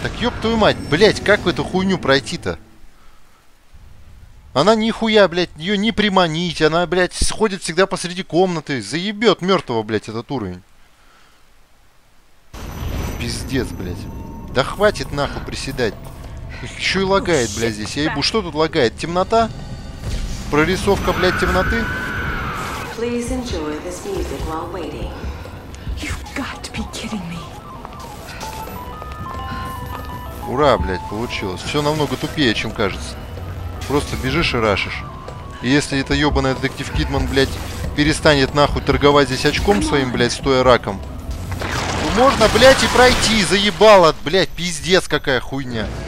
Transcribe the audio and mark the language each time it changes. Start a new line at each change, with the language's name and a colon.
Russian: Так, ёб твою мать, блядь, как эту хуйню пройти-то? Она нихуя, блядь, ее не приманить, она, блядь, сходит всегда посреди комнаты, заебет мертвого, блядь, этот уровень. Пиздец, блядь. Да хватит нахуй приседать. Еще и лагает, блядь, здесь. Я ебу, что тут лагает? Темнота? Прорисовка, блядь, темноты.
English: Please enjoy this music while waiting. You've got to be kidding me.
Russian: Ура, блядь, получилось. Все намного тупее, чем кажется. Просто бежишь и рашишь. И если это ебаная детектив Кидман, блядь, перестанет нахуй торговать здесь очком своим, блядь, стоя раком. Ну можно, блядь, и пройти. Заебало, блядь, пиздец, какая хуйня.